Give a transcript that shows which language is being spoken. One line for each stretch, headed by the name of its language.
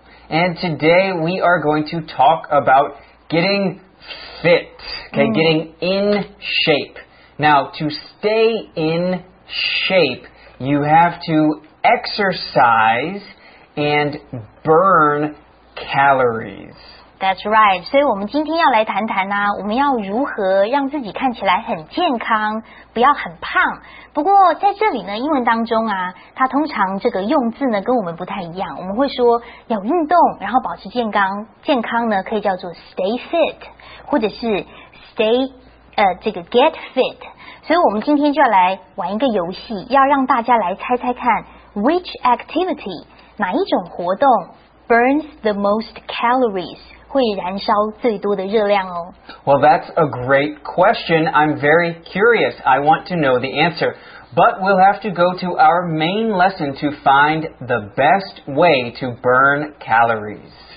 English: And today we are going to talk about getting fit. Okay,、mm. getting in shape. Now, to stay in shape, you have to exercise and burn calories. That's right.
Chinese: 所以我们今天要来谈谈呢、啊、我们要如何让自己看起来很健康不要很胖。不过在这里呢英文当中啊它通常这个用字呢跟我们不太一样。我们会说要运动然后保持健康。健康呢可以叫做 stay fit, 或者是 stay, 这个 get fit。所以我们今天就要来玩一个游戏要让大家来猜猜看
English: which activity,
Chinese: 哪一种活动
English: burns the most calories,
Chinese: 会燃烧最多的热量哦。
English: Well, that's a great question. I'm very curious. I want to know the answer. But we'll have to go to our main lesson to find the best way to burn calories.